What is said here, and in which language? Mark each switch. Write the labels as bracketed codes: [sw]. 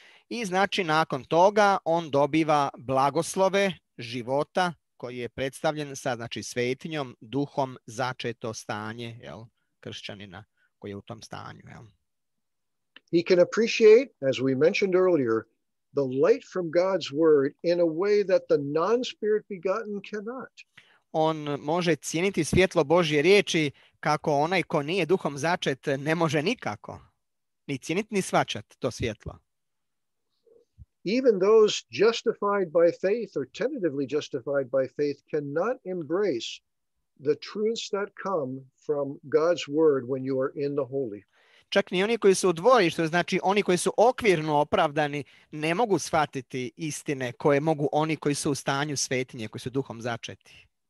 [hr] I znači nakon toga on dobiva blagoslove života koji je predstavljen sa znači svetinjom, duhom, začeto stanje, jel, kršćanina koji je u tom stanju, jel. [en] He can appreciate, as we mentioned earlier, the light from God's word in a way that the non-spirit begotten cannot. [hr] On može cijeniti svjetlo Božje riječi kako onaj ko nije duhom začet ne može nikako ni cijeniti ni svačati to svjetlo. [en] Even those justified by faith or tentatively justified by faith cannot embrace the truths that come from God's word when you are in the holy. [hr] Čak ni oni koji su u dvorištu, znači oni koji su okvirno opravdani, ne mogu shvatiti istine koje mogu oni koji su u stanju svetinje, koji su duhom začeti.